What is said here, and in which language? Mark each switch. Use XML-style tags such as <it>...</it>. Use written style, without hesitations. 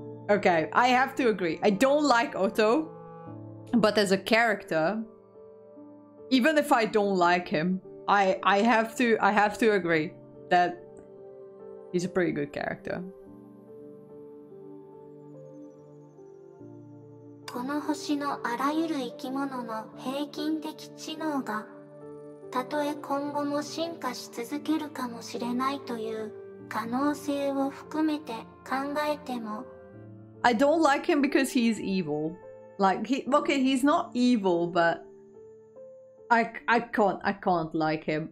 <en>Okay, I have to agree. I don't like Otto, but as a character, even if I don't like him, I have to agree that he's a pretty good character.</en> <ja>この星のあらゆる生き物の平均的知能がたとえ今後も進化し続けるかもしれないという可能性を含めて考えても</ja> <en>I don't like him because he's evil. Like, okay, he's not evil, but I can't like him.</en>